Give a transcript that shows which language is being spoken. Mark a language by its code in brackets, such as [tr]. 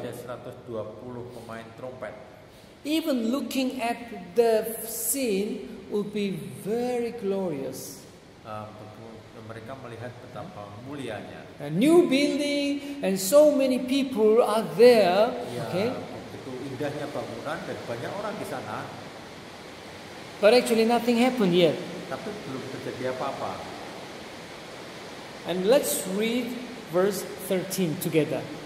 [id] Ada 120 pemain trompet. [en] Even looking at the scene would be very glorious. [id] Mereka melihat betapa mulianya. [en] A new building and so many people are there. [id] Ya, [en] okay. [id] Itu indahnya bangunan dan banyak orang di sana. [en] But actually nothing happened yet. [id] Tapi belum terjadi apa-apa. [en] And let's read verse 13 together.